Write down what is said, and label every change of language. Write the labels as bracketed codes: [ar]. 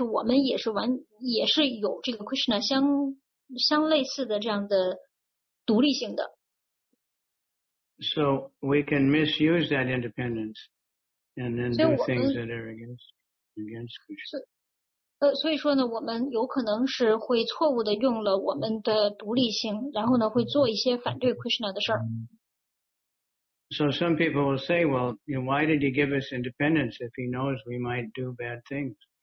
[zh] 那所以说呢，这个当我们被这个创造出来以后呢，就是我们有这些品质，但是我们也是完，也是有这个 Krishna 相类似的这样的独立性的。 [en] So we can misuse that independence and then do things that are against Krishna. [zh] 所以说呢，我们有可能是会错误的用了我们的独立性，然后呢，会做一些反对 Krishna 的事儿。 [en] So some people will say, well, you know, why did he give us independence if he knows we might do bad things?